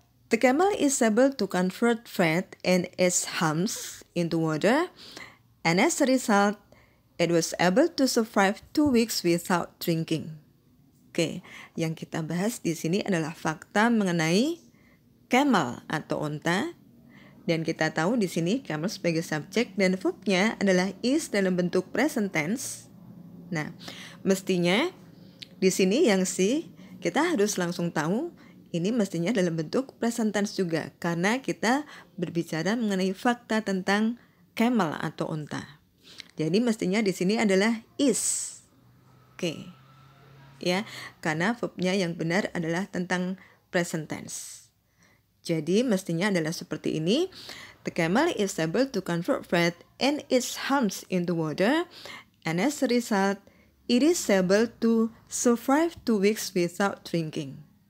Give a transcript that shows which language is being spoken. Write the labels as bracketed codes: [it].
[en] The camel is able to convert fat and its humps into water, and as a result, it was able to survive 2 weeks without drinking. [id] Oke, yang kita bahas di sini adalah fakta mengenai camel atau unta. Dan kita tahu di sini camel sebagai subjek dan verb-nya adalah is dalam bentuk present tense. Nah, mestinya di sini yang si kita harus langsung tahu ini mestinya dalam bentuk present tense juga karena kita berbicara mengenai fakta tentang camel atau unta. Jadi mestinya di sini adalah is. Oke. Ya, karena verb-nya yang benar adalah tentang present tense. Jadi mestinya adalah seperti ini. [en] The camel is able to convert fat and its humps into water, and as a result, it is able to survive 2 weeks without drinking.